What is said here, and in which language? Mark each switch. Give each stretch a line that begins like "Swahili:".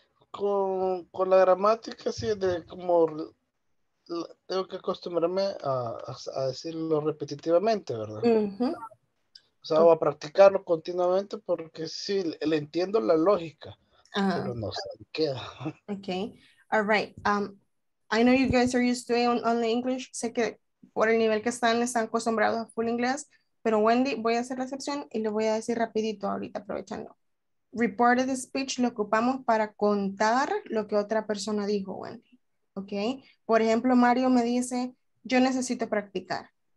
Spanish: Con la gramática, sí, de como tengo que acostumbrarme a decirlo repetitivamente, ¿verdad? Uh-huh. O sea, voy a practicarlo continuamente porque sí, le entiendo la lógica, pero no sé qué.
English: Okay, all right. I know you guys are used to it on the English.
Spanish: Sé que por el nivel que están acostumbrados a full inglés, pero Wendy, voy a hacer la excepción y le voy a decir rapidito ahorita aprovechando. Reported speech lo ocupamos para contar lo que otra persona dijo, Wendy. Okay. Por ejemplo, Mario me dice, yo necesito practicar.